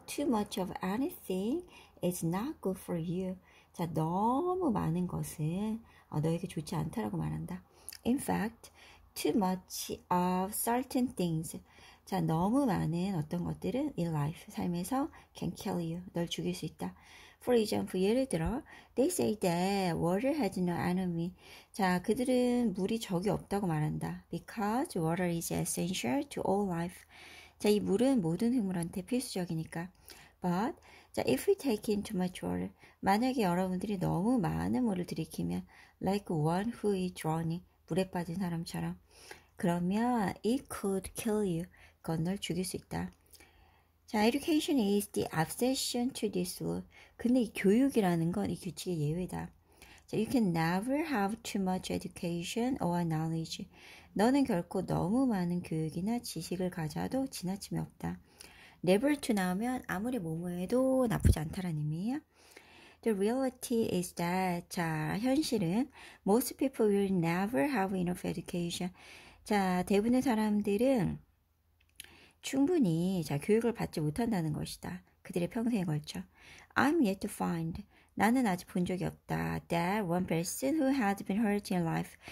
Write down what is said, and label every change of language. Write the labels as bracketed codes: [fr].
[en] Too much of anything is not good for you. [ko] 자, 너무 많은 것은 너에게 좋지 않다라고 말한다. [en] In fact, too much of certain things. [ko] 자, 너무 많은 어떤 것들은 [en] in life, [ko] 삶에서 [en] can kill you, [ko] 널 죽일 수 있다. [en] For example, [ko] 예를 들어, [en] they say that water has no enemy. [ko] 자, 그들은 물이 적이 없다고 말한다. [en] Because water is essential to all life. [ko] 자, 이 물은 모든 생물한테 필수적이니까. [en] But, 자, if we take in too much water, [ko] 만약에 여러분들이 너무 많은 물을 들이키면, [en] like one who is drowning, [ko] 물에 빠진 사람처럼, 그러면 [en] it could kill you. [ko] 그건 널 죽일 수 있다. [en] 자, education is the exception to this rule. [ko] 근데 이 교육이라는 건이 규칙의 예외다. [en] 자, you can never have too much education or knowledge. [ko] 너는 결코 너무 많은 교육이나 지식을 가져도 지나침이 없다. [en] never to [ko] 나오면 아무리 뭐뭐해도 나쁘지 않다라는 의미예요. [en] The reality is that, 자, [ko] 현실은 [en] most people will never have enough education. [ko] 자, 대부분의 사람들은 충분히 자 교육을 받지 못한다는 것이다. 그들의 평생에 걸쳐. [en] I'm yet to find. [ko] 나는 아직 본 적이 없다. [en] That one person who has been hurt in life.